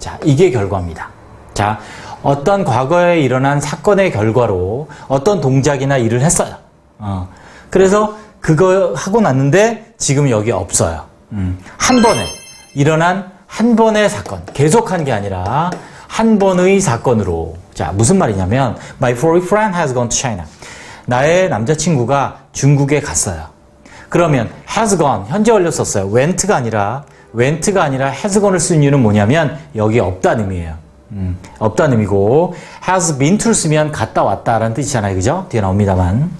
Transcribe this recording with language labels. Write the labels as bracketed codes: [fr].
[ko] 자, 이게 결과입니다. 자, 어떤 과거에 일어난 사건의 결과로 어떤 동작이나 일을 했어요. 그래서 그거 하고 났는데 지금 여기 없어요. 한 번에 일어난 한 번의 사건. 계속한 게 아니라 한 번의 사건으로. 자, 무슨 말이냐면 [en] My foreign friend has gone to China. [ko] 나의 남자친구가 중국에 갔어요. 그러면 has gone, 현재 완료 썼어요. went가 아니라 has gone을 쓴 이유는 뭐냐면 여기 없다는 의미예요. 없다는 의미고 has been to를 쓰면 갔다 왔다라는 뜻이잖아요. 그죠? 뒤에 나옵니다만.